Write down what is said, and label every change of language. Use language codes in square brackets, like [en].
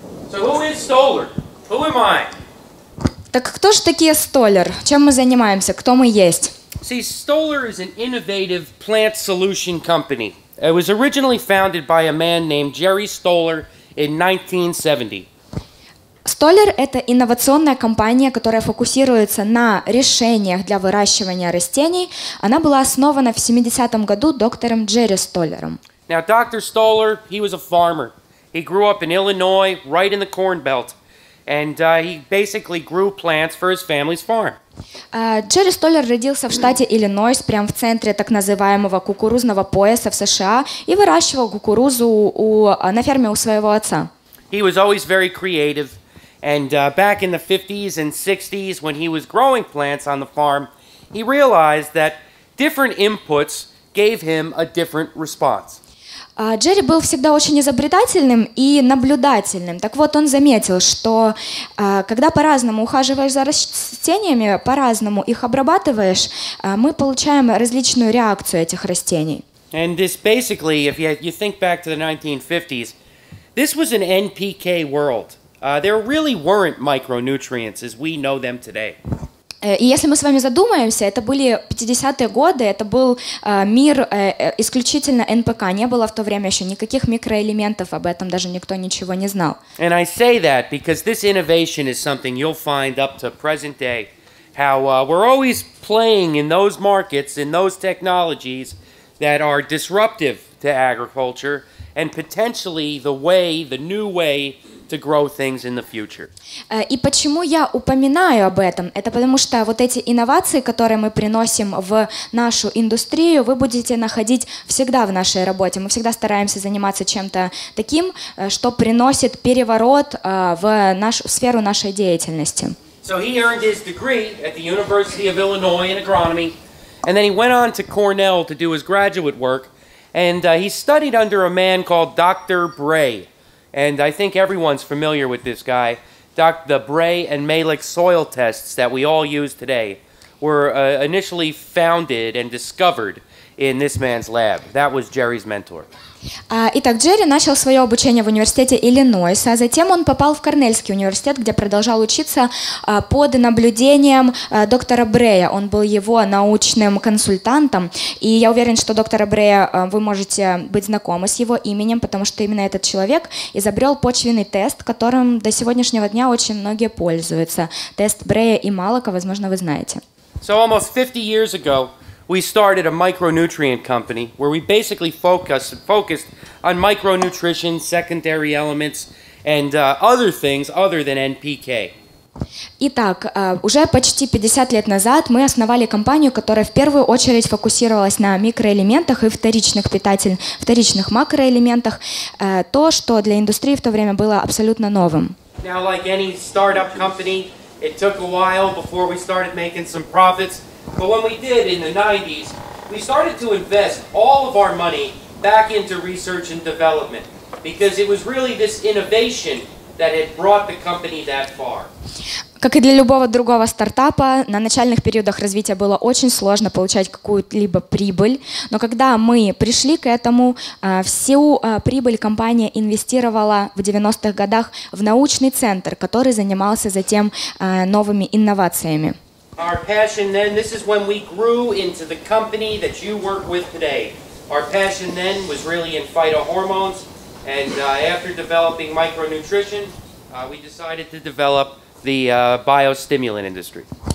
[en] So who is Stoller? Who am I? [ru] Так кто же такие Stoller? Чем мы занимаемся? Кто мы есть? [en] See, Stoller is an innovative plant solution company. It was originally founded by a man named Jerry Stoller in 1970. [ru] Stoller – это инновационная компания, которая фокусируется на решениях для выращивания растений. Она была основана в 70-м году доктором Джерри Столлером. [en] Now, Dr. Stoller, he was a farmer. He grew up in Illinois, right in the Corn Belt. And he basically grew plants for his family's farm. [ru] Джерри Столлер родился в штате Иллинойс, прямо в центре так называемого кукурузного пояса в США, и выращивал кукурузу на ферме у своего отца. [en] He was always very creative, and back in the 50s and 60s, when he was growing plants on the farm, he realized that different inputs gave him a different response. [ru] Джерри был всегда очень изобретательным и наблюдательным. Так вот, он заметил, что когда по-разному ухаживаешь за растениями, по-разному их обрабатываешь, мы получаем различную реакцию этих растений. [en] And this basically, if you think back to the 1950s, this was an NPK world. There really weren't micronutrients as we know them today. [ru] И если мы с вами задумаемся, это были 50-е годы, это был мир исключительно НПК, не было в то время еще никаких микроэлементов, об этом даже никто ничего не знал. [en] And I say that because this innovation is something you'll find up to present day, how we're always playing in those markets, in those technologies that are disruptive to agriculture and potentially the way, the new way to grow things in the future. [ru] И почему я упоминаю об этом? Это потому что вот эти инновации, которые мы приносим в нашу индустрию, вы будете находить всегда в нашей работе. Мы всегда стараемся заниматься чем-то таким, что приносит переворот в сферу нашей деятельности. [en] So he earned his degree at the University of Illinois in agronomy, and then he went on to Cornell to do his graduate work, and he studied under a man called Dr. Bray. And I think everyone's familiar with this guy. The Bray and Malick soil tests that we all use today were initially founded and discovered in this man's lab. That was Jerry's mentor. [ru] Итак, Джерри начал свое обучение в университете Иллинойса, а затем он попал в Корнельский университет, где продолжал учиться под наблюдением доктора Брея. Он был его научным консультантом, и я уверен, что доктора Брея вы можете быть знакомы с его именем, потому что именно этот человек изобрел почвенный тест, которым до сегодняшнего дня очень многие пользуются. Тест Брея и Малака, возможно, вы знаете. [en] So almost 50 years ago, we started a micronutrient company where we basically focused on micronutrition, secondary elements, and other things other than NPK. [ru] Итак, уже почти 50 лет назад мы основали компанию, которая в первую очередь фокусировалась на микроэлементах и вторичных макроэлементах, то, что для индустрии в то время было абсолютно новым. [en] Now, like any startup company, it took a while before we started making some profits. But when we did in the 90s, we started to invest all of our money back into research and development because it was really this innovation that had brought the company that far. [ru] Как и для любого другого стартапа, на начальных периодах развития было очень сложно получать какую-либо прибыль. Но когда мы пришли к этому, всю прибыль компания инвестировала в 90-х годах в научный центр, который занимался затем новыми инновациями. [en] Our passion then, this is when we grew into the company that you work with today. Our passion then was really in phytohormones, and after developing micronutrition, we decided to develop the biostimulant industry.